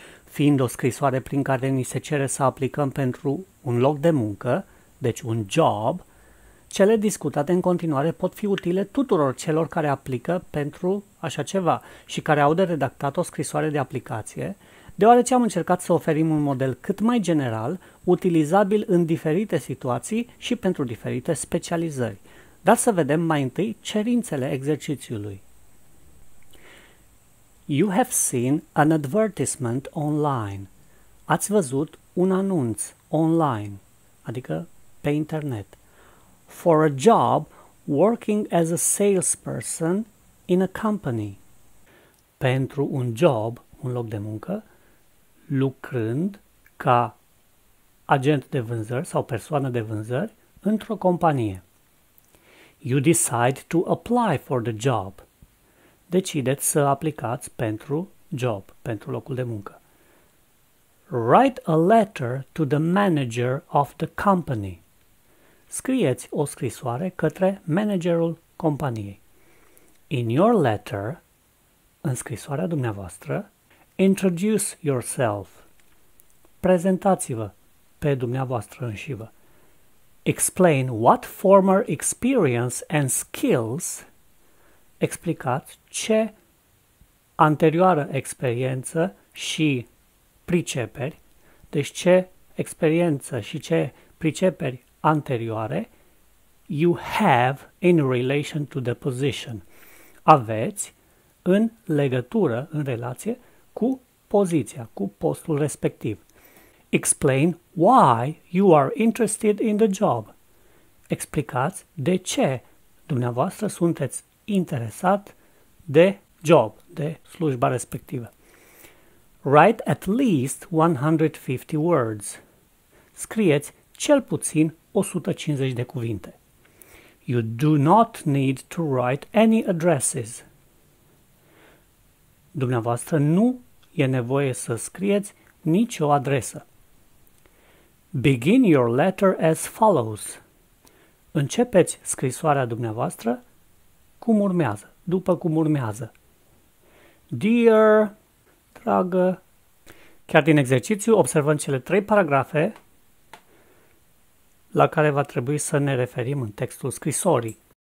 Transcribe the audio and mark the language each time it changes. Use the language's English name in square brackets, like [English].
[Romanian] Fiind o scrisoare prin care ni se cere să aplicăm pentru un loc de muncă, deci un job, cele discutate în continuare pot fi utile tuturor celor care aplică pentru așa ceva și care au de redactat o scrisoare de aplicație, deoarece am încercat să oferim un model cât mai general, utilizabil în diferite situații și pentru diferite specializări. Dar să vedem mai întâi cerințele exercițiului. [English] You have seen an advertisement online. [Romanian] Ați văzut un anunț online, adică pe internet, [English] for a job working as a salesperson in a company. [Romanian] Pentru un job, un loc de muncă, lucrând ca agent de vânzări sau persoană de vânzări într-o companie. [English] You decide to apply for the job. [Romanian] Decideți să aplicați pentru job, pentru locul de muncă. [English] Write a letter to the manager of the company. [Romanian] Scrieți o scrisoare către managerul companiei. [English] In your letter, [Romanian] în scrisoarea dumneavoastră, [English] introduce yourself. [Romanian] Prezentați-vă pe dumneavoastră înșivă. [English] Explain what former experience and skills. [Romanian] Explicați ce anterioară experiență și priceperi, deci ce experiență și ce priceperi anterioare [English] you have in relation to the position. [Romanian] Aveți în legătură, în relație cu poziția, cu postul respectiv. [English] Explain why you are interested in the job. [Romanian] Explicați de ce dumneavoastră sunteți interesat de job, de slujba respectivă. [English] Write at least 150 words. [Romanian] Scrieți cel puțin 150 de cuvinte. [English] You do not need to write any addresses. [Romanian] Dumneavoastră nu e nevoie să scrieți nicio adresă. [English] Begin your letter as follows. [Romanian] Începeți scrisoarea dumneavoastră cum urmează, după cum urmează. [English] Dear, [Romanian] dragă, chiar din exercițiu observăm cele trei paragrafe la care va trebui să ne referim în textul scrisorii.